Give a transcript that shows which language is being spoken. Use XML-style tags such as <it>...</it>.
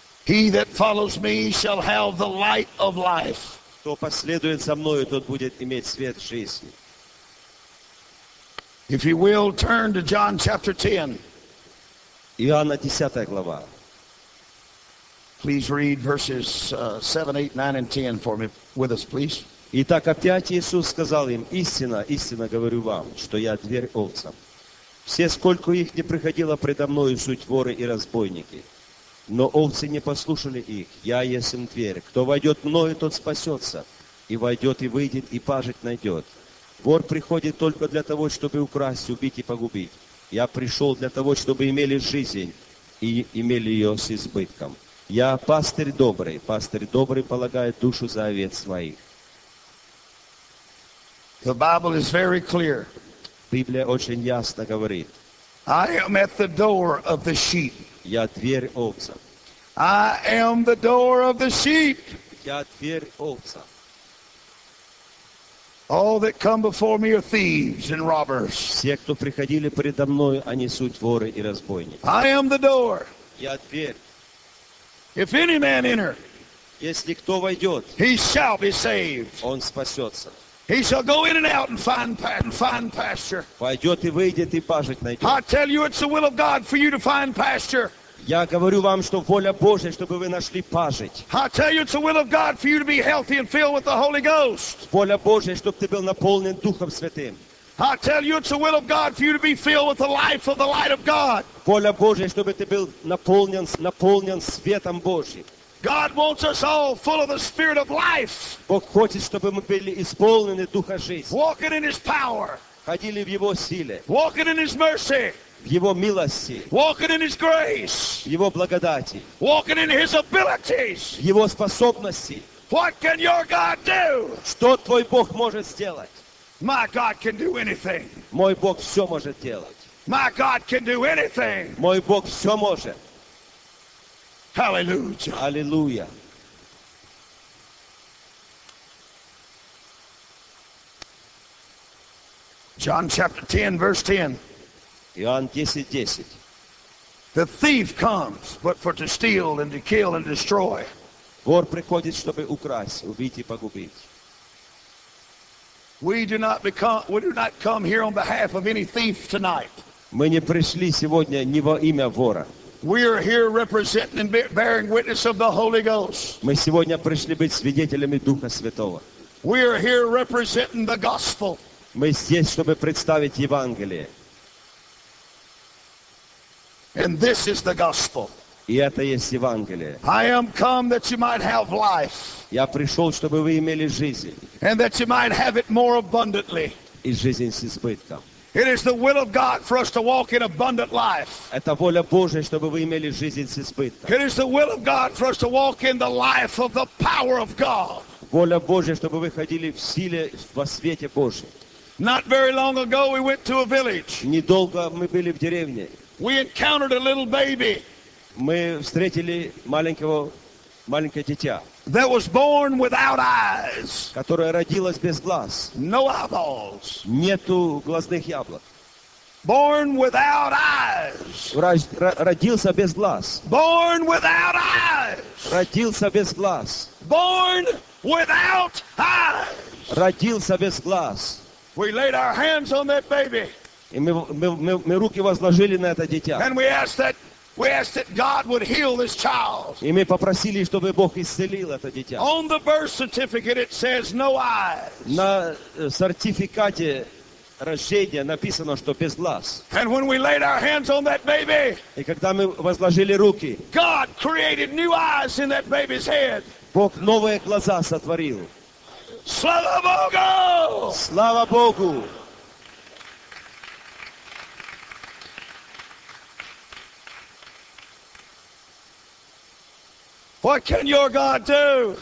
<en>He that follows me shall have the light of life.</en> <ru>Кто последует за мною, тот будет иметь свет жизни.</ru> <en>If you will turn to John chapter 10.</en> <ru>Иоанна 10 глава.</ru> <en>Please read verses 7, 8, 9 and 10 for me with us, please.</en> <ru>Итак, опять Иисус сказал им: «Истина, истина говорю вам, что я дверь овцам. Все, сколько их не приходило предо мною, суть воры и разбойники. Но овцы не послушали их. Я есмь дверь. Кто войдет мною, тот спасется, и войдет, и выйдет, и пажить найдет. Вор приходит только для того, чтобы украсть, убить и погубить. Я пришел для того, чтобы имели жизнь и имели ее с избытком. Я пастырь добрый. Пастырь добрый полагает душу за овец своих».</ru> <en>The Bible is very clear.</en> <ru>Библия очень ясно говорит.</ru> <en>I am at the door of the sheep.</en> <ru>Я дверь овцам.</ru> <en>I am the door of the sheep.</en> <ru>Я дверь овцам.</ru> <en>All that come before me are thieves and robbers.</en> <ru>Все, кто приходили предо мной, они суть воры и разбойники.</ru> <en>I am the door.</en> <ru>Я дверь.</ru> <en>If any man enter,</en> <ru>если кто войдет,</ru> <en>he shall be saved.</en> <ru>Он спасется.</ru> <en>He shall go in and out and find pasture.</en> <ru>Пойдет и выйдет и пажить найдет.</ru> <en>I tell you, it's the will of God for you to find pasture.</en> <ru>Я говорю вам, что воля Божья, чтобы вы нашли пажить.</ru> <en>I tell you, it's the will of God for you to be healthy and filled with the Holy Ghost.</en> <ru>Воля Божья, чтобы ты был наполнен Духом Святым.</ru> <en>I tell you, it's the will of God for you to be filled with the life of the light of God.</en> <ru>Воля Божья, чтобы ты был наполнен светом Божьим.</ru> <en>God wants us all full of the Spirit of life.</en> <ru>Бог хочет, чтобы мы были исполнены Духа жизни.</ru> <en>Walking in His power.</en> <ru>Ходили в Его силе.</ru> <en>Walking in His mercy.</en> <ru>В Его милости.</ru> <en>Walking in His grace.</en> <ru>В Его благодати.</ru> <en>Walking in His abilities.</en> <ru>В Его способности.</ru> <en>What can your God do?</en> <ru>Что твой Бог может сделать?</ru> <en>My God can do anything.</en> <ru>Мой Бог все может делать.</ru> <en>My God can do anything.</en> <ru>Мой Бог все может.</ru> <en>Hallelujah. Hallelujah. John chapter 10, verse 10.</en> <ru>Иоанн 10:10.</ru> <en>The thief comes, but for to steal and to kill and destroy.</en> <ru>Вор приходит, чтобы украсть, убить и погубить.</ru> <en>We do not come here on behalf of any thief tonight.</en> <ru>Мы не пришли сегодня не во имя вора.</ru> <en>We are here representing and bearing witness of the Holy Ghost.</en> <ru>Мы сегодня пришли быть свидетелями Духа Святого.</ru> <en>We are here representing the gospel.</en> <ru>Мы здесь, чтобы представить Евангелие.</ru> <en>And this is the gospel.</en> <ru>И это есть Евангелие.</ru> <en>I am come that you might have life.</en> <ru>Я пришел, чтобы вы имели жизнь.</ru> <en>And that you might have it more abundantly.</en> <ru>И жизнь с избытком.</ru> <en>It is the will of God for us to walk in abundant life.</en> <ru>Это воля Божья, чтобы вы имели жизнь с избытком.</ru> <en>It is the will of God for us to walk in the life of the power of God.</en> <ru>Воля Божья, чтобы вы ходили в силе во свете Божьем.</ru> <en>Not very long ago we went to a village.</en> <ru>Недолго мы были в деревне.</ru> <en>We encountered a little baby.</en> <ru>Мы встретили маленькое дитя.</ru> <en>That was born without eyes.</en> <ru>Которая родилась без глаз.</ru> <en>No eyeballs.</en> <ru>Нету глазных яблок.</ru> <en>Born without eyes.</en> <ru>Родился без глаз.</ru> <en>Born without eyes.</en> <ru>Родился без глаз.</ru> <en>Born without eyes.</en> <ru>Родился без глаз.</ru> <en>We laid our hands on that baby.</en> <ru>И мы руки возложили на это дитя.</ru> <en>And we asked that God would heal this child.</en> <ru>И мы попросили, чтобы Бог исцелил это дитя.</ru> <en>On the birth certificate it says no eyes.</en> <ru>На сертификате рождения написано, что без глаз.</ru> <en>And when we laid our hands on that baby,</en> <ru>и когда мы возложили руки,</ru> <en>God created new eyes in that baby's head.</en> <ru>Бог новые глаза сотворил. Слава Богу! Слава Богу!</ru> <en>What can your God do?</en>